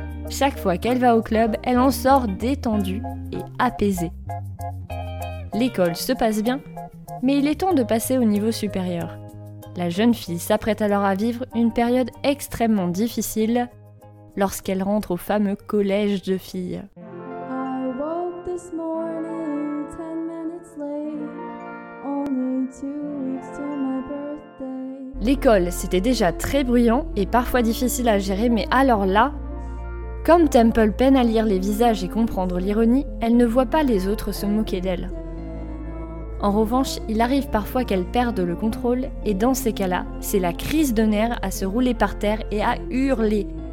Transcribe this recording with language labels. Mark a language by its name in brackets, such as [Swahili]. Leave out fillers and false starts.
[French] Chaque fois qu'elle va au club, elle en sort détendue et apaisée. L'école se passe bien, mais il est temps de passer au niveau supérieur. La jeune fille s'apprête alors à vivre une période extrêmement difficile lorsqu'elle rentre au fameux collège de filles. [English] I woke this morning 10 minutes late, only 2 weeks till my birthday. [French] L'école, c'était déjà très bruyant et parfois difficile à gérer, mais alors là, comme Temple peine à lire les visages et comprendre l'ironie, elle ne voit pas les autres se moquer d'elle. En revanche, il arrive parfois qu'elle perde le contrôle, et dans ces cas-là, c'est la crise de nerfs à se rouler par terre et à hurler.